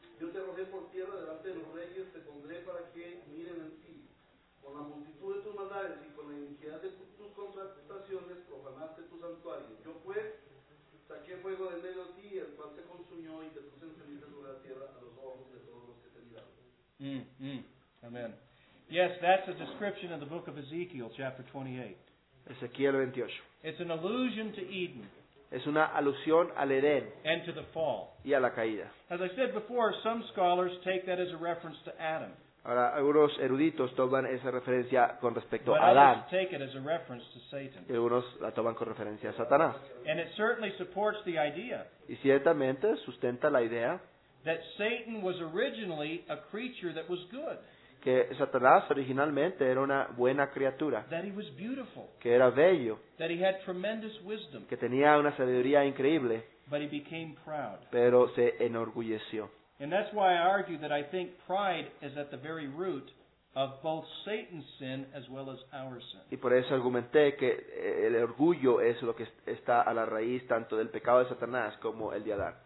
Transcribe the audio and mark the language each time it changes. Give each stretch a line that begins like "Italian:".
Spanish: Yo te arrojé por tierra delante de los reyes, te pondré para que miren en ti. Con la multitud de tus maldades y con la iniquidad de tus contrataciones profanaste tu santuario. Yo pues saqué fuego de medio de ti, el cual te consumió y te puse en ceniza sobre la tierra a los ojos de todos los que te miraron. Amén.
English: Yes, that's a description of the book of Ezekiel, chapter 28.
Spanish: Ezequiel 28.
English: It's an allusion to Eden.
Spanish: Es una alusión al Edén.
English: And to the fall.
Spanish: Y a la caída.
English: As I said before, some scholars take that as a reference to Adam.
Spanish: Ahora, algunos eruditos toman esa referencia con respecto
English: but
Spanish: a Adán.
English: Others take it as a reference to Satan.
Spanish: Y algunos la toman con referencia a Satanás.
English: And it certainly supports the idea.
Spanish: Y ciertamente sustenta la idea.
English: That Satan was originally a creature that was good.
Spanish: Que Satanás originalmente era una buena criatura.
English: That he was beautiful.
Spanish: Que era bello.
English: That he had tremendous wisdom.
Spanish: Que tenía una sabiduría increíble.
English: But he became proud.
Spanish: Pero se enorgulleció.
English: And that's why I argue that I think pride is at the very root of both Satan's sin as well as our sin.
Spanish: Y por eso argumenté que el orgullo es lo que está a la raíz tanto del pecado de Satanás como el de Adán.